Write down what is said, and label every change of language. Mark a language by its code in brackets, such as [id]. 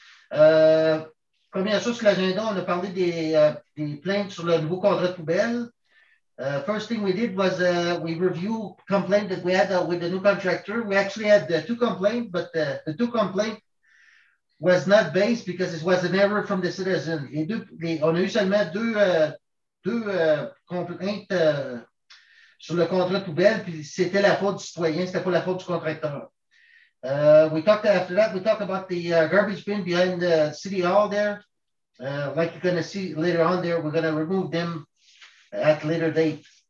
[fr] Première chose sur l'agenda, on a parlé des plaintes sur le nouveau contrat de poubelle. [en] First thing we did was we review complaint that we had with the new contractor. We actually had two complaints, but the two complaints was not based because it was an error from the citizen. [fr] On a eu seulement deux complaints sur le contrat de poubelle, puis c'était la faute du citoyen, c'était pas la faute du contracteur. [en] We talked after that, we talked about the garbage bin behind the city hall there. Like you're going to see later on there, we're going to remove them at a later date.